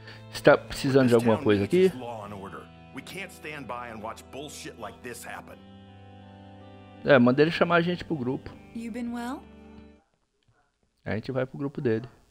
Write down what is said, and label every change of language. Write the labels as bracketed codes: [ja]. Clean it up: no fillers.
[pt] Você tá precisando de alguma coisa aqui? [en] We can't stand by and watch bullshit like this happen. [pt] É, manda ele chamar a gente pro grupo. [en] You been well? [pt] A gente vai pro grupo dele.